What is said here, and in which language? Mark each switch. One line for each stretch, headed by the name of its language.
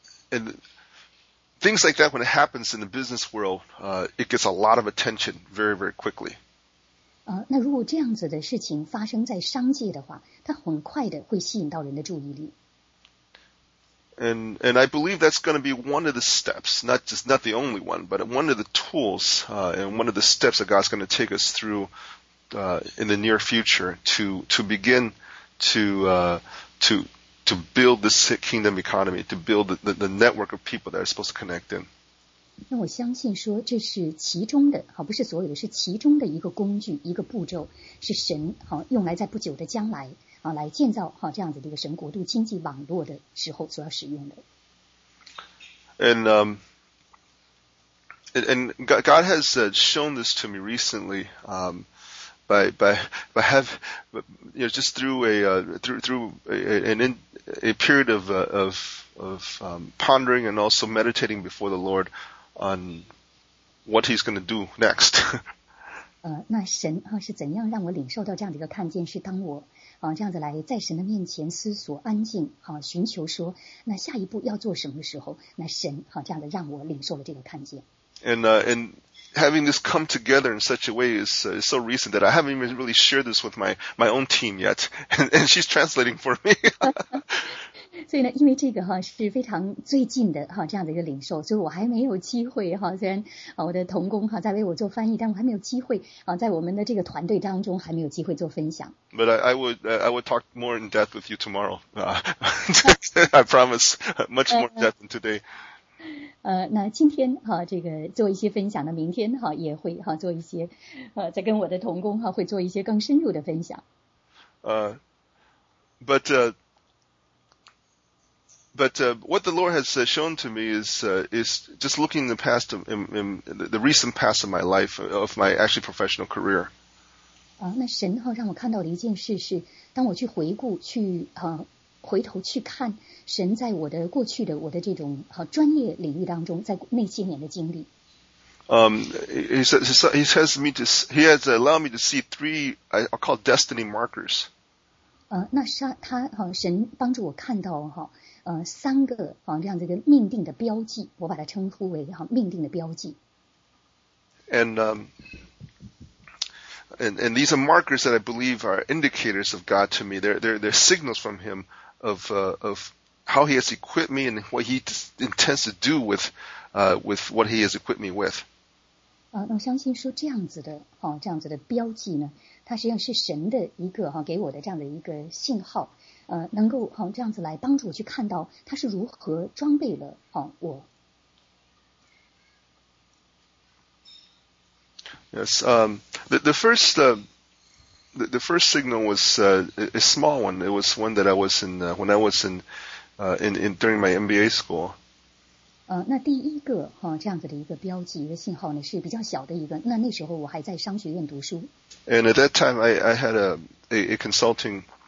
English: And things like that, when it happens in the business world, it gets a lot of attention very, very quickly.
Chinese: 那如果这样子的事情发生在商界的话，它很快的会吸引到人的注意力。
English: And I believe that's going to be one of the steps, not the only one, but one of the tools, and one of the steps that God's going to take us through, in the near future to begin to build this kingdom economy, to build the network of people that are supposed to connect in.
Chinese: 那我相信说这是其中的，不是所有的，是其中的一个工具，一个步骤，是神用来在不久的将来来建造这样子的一个神国度经济网络的时候所要使用的。
English: And God has shown this to me recently, by have you know just through a through an in, a period of pondering and also meditating before the Lord on what He's going to do next.
Chinese: 那神啊是怎样让我领受到这样的一个看见？是当我啊这样子来在神的面前思索、安静啊，寻求说那下一步要做什么的时候，那神啊这样的让我领受了这个看见。
English: And having this come together in such a way is so recent that I haven't even really shared this with my own team yet, and she's translating for me.
Chinese: 所以呢，因为这个哈是非常最近的哈这样的一个领受，所以我还没有机会哈。虽然啊我的同工哈在为我做翻译，但我还没有机会啊在我们的这个团队当中还没有机会做分享。
English: But I would talk more in depth with you tomorrow. I promise much more in depth than today.
Chinese: 那今天哈这个做一些分享的，明天哈也会哈做一些再跟我的同工哈会做一些更深入的分享。
English: But what the Lord has shown to me is just looking in the past, in the recent past of my life, of my actually professional career.
Chinese: 那神哈让我看到了一件事，是当我去回顾、去回头去看神在我的过去的我的这种专业领域当中，在那些年的经历。
English: He has allowed me to see three I'll call destiny markers.
Chinese: 那他哈神帮助我看到哈。三个这样的一个命定的标记，我把它称呼为命定的标记。
English: And these are markers that I believe are indicators of God to me. They're signals from Him of how He has equipped me and what He intends to do with what He has equipped me with.
Chinese: 那我相信说这样子的这样子的标记呢，它实际上是神的一个给我的这样的一个信号。能够好这样子来帮助我去看到他是如何装备了好我。
English: Yes, the first signal was a small one. It was one that I was in when I was in during my MBA school.
Chinese: 那第一个哈这样子的一个标记一个信号呢是比较小的一个。那时候我还在商学院读书。
English: And at that time, I had a consulting.